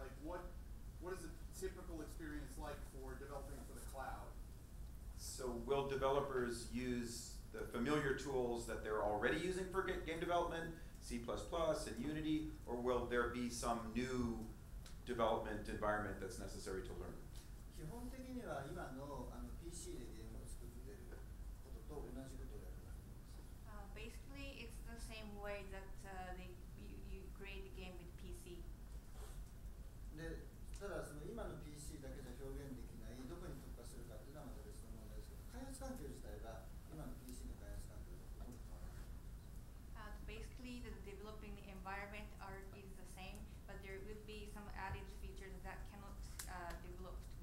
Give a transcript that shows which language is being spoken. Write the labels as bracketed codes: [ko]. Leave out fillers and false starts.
[en] Like, what is a typical experience like for developing for the cloud? So will developers use the familiar tools that they're already using for game development, C++ and Unity, or will there be some new development environment that's necessary to learn? [ja] 基本的には今の PC でゲームを作っていることと同じことをやるんだと思います。 [en] Basically, it's the same way that you create a game with PC. [ja] で、ただその今の PC だけじゃ表現できない、どこに特化するかっていうのはまた別の問題ですけど、開発環境自体が今の PC の開発環境とほとんど変わらないと思います。 [en] Basically, the developing environment is the same, but there would be some added features that cannot develop.